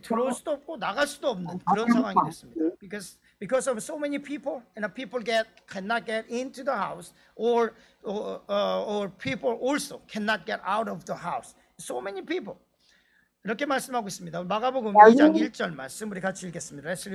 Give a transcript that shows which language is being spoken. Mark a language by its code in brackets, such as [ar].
[ko] 들어올 수도 없고 나갈 수도 없는 그런 상황이 됐습니다. [en] Because of so many people, and people cannot get into the house, or people also cannot get out of the house. So many people. [ko] 이렇게 말씀하고 있습니다. 마가복음 2장 1절 말씀 우리 같이 읽겠습니다.